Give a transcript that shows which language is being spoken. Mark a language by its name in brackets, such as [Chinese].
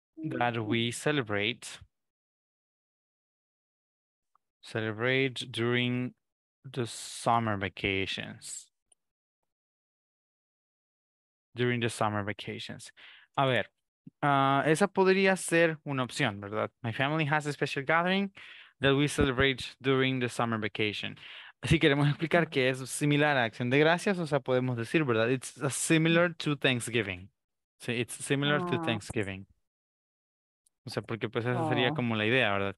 [English] that we celebrate during the summer vacations. During the summer vacations. [Spanish] A ver, esa podría ser una opción, ¿verdad? [English] My family has a special gathering that we celebrate during the summer vacation. [Spanish] Si queremos explicar que es similar a Acción de Gracias, o sea, podemos decir, ¿verdad? [English] It's similar to Thanksgiving. Sí, it's similar to Thanksgiving. [Spanish] O sea, porque pues esa sería como la idea, ¿verdad?